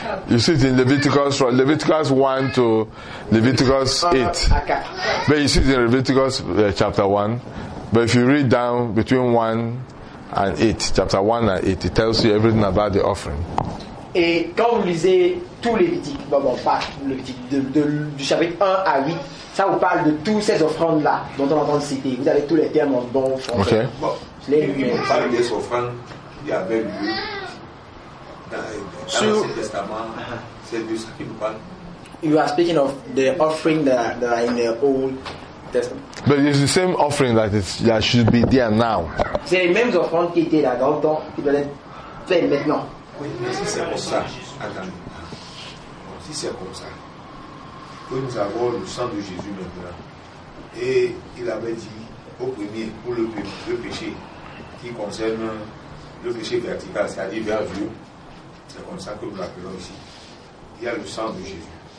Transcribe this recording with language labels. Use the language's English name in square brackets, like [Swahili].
[English] You see it in Leviticus 1 to Leviticus 8. But you see it in Leviticus chapter 1. But if you read down between 1 and 8, chapter 1 and 8, it tells you everything about the offering. [French] Et quand vous lisez tout Lévitique, bon, pas Lévitique, du chapitre 1 à 8, ça vous parle de toutes ces offrandes-là dont on entend citer. Vous avez tous les termes en don, en fait. Ok. Bon, il vous parle des offrandes qui avaient lieu dans l'Ancien Testament. C'est de ça qu'il vous parle. [English] You are speaking of the offering that are in the Old. But it's the same offering that should be there now. [French] C'est les mêmes offrandes qui étaient là dans le temps qui doivent être faites maintenant. Oui, mais si c'est comme ça, attendez. Si c'est comme ça, que nous avons le sang de Jésus maintenant, et il avait dit au premier, pour le péché qui concerne le péché vertical, c'est-à-dire vers Dieu, c'est comme ça que nous l'appelons ici. Il y a le sang de Jésus.